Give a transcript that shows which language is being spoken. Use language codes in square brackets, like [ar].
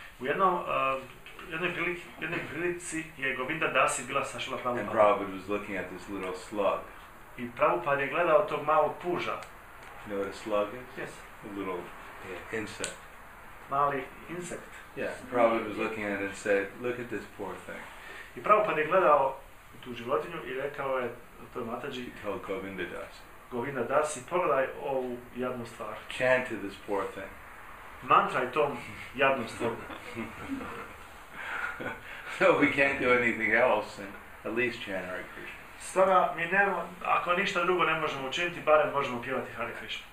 [bs] U jednom jednoj prilici je Govinda Dasi bila sa Šila Prabhupada. [en] And Prabhupada was looking at this little slug. [bs] I Prabhupada je gledao tog malog puža. [en] You know what a slug is? Yes. A little insect. [bs] Mali insect. [en] Yeah, Prabhupada was looking at it and said, look at this poor thing. [bs] I Prabhupada je gledao tu životinju i rekao je toj Mataji, [en] tell Govinda Dasi. [bs] Govinda Dasi, pogledaj ovu jadnu stvar. [en] Chant to this poor thing. [bs] Mantraj tom jadnom stvaru. [en] So we can't do anything else, and at least chant Hare Krishna. [bs] Stoga mi nemo, ako ništa drugo ne možemo učiniti, barem možemo pjevati Hare Krishna.